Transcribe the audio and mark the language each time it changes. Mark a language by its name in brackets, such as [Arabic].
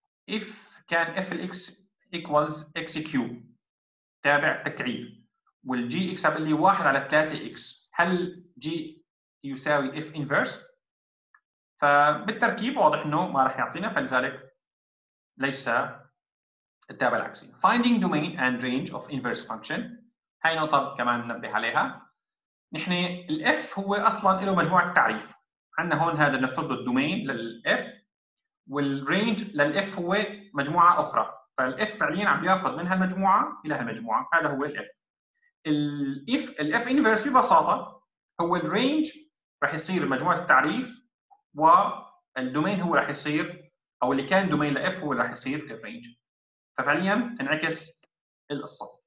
[Arabic] اف كان اف الاكس ايكوالز اكس كيوب تابع تكعيب والجي اكس بقول لي 1 على 3 اكس هل جي يساوي اف انفرس؟ فبالتركيب واضح انه ما راح يعطينا فلذلك ليس التابع العكسي. [English] Finding domain and range of inverse function [Arabic] هاي نقطه كمان ننبه عليها. نحن الاف هو اصلا له مجموعه تعريف عندنا هون هذا نفترض الدومين للاف والرينج للاف هو مجموعه اخرى فالاف فعليا عم ياخذ من هالمجموعه الى هالمجموعه هذا هو الاف. الاف الاف انفرس ببساطه هو الرينج راح يصير مجموعه التعريف والدومين هو راح يصير او اللي كان دومين لاف هو راح يصير الرينج ففعليا تنعكس القصه.